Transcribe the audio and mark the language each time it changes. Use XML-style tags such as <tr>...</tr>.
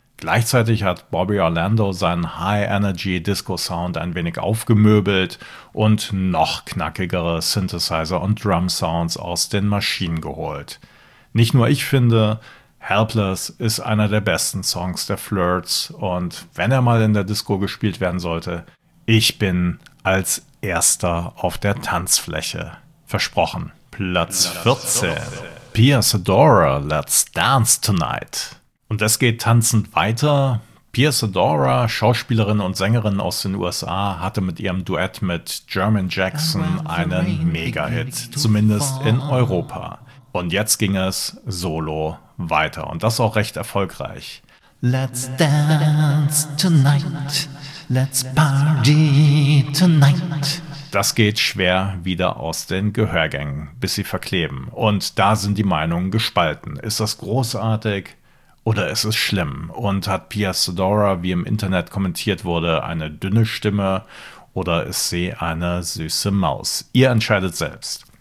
<de>Gleichzeitig hat Bobby Orlando seinen High-Energy-Disco-Sound ein wenig aufgemöbelt und noch knackigere Synthesizer- und Drum-Sounds aus den Maschinen geholt. Nicht nur ich finde, Helpless ist einer der besten Songs der Flirts und wenn er mal in der Disco gespielt werden sollte, ich bin als Erster auf der Tanzfläche. Versprochen. Platz 14. Piers Adora, Let's Dance Tonight. Und es geht tanzend weiter. Piers Adora, Schauspielerin und Sängerin aus den USA, hatte mit ihrem Duett mit German Jackson einen Mega-Hit, zumindest in Europa. Und jetzt ging es solo weiter und das auch recht erfolgreich.</de> <en>Let's dance tonight, let's party tonight.</en> <de>Das geht schwer wieder aus den Gehörgängen, bis sie verkleben. Und da sind die Meinungen gespalten. Ist das großartig? Oder ist es schlimm? Und hat Piers Adora, wie im Internet kommentiert wurde, eine dünne Stimme? Oder ist sie eine süße Maus? Ihr entscheidet selbst.</de>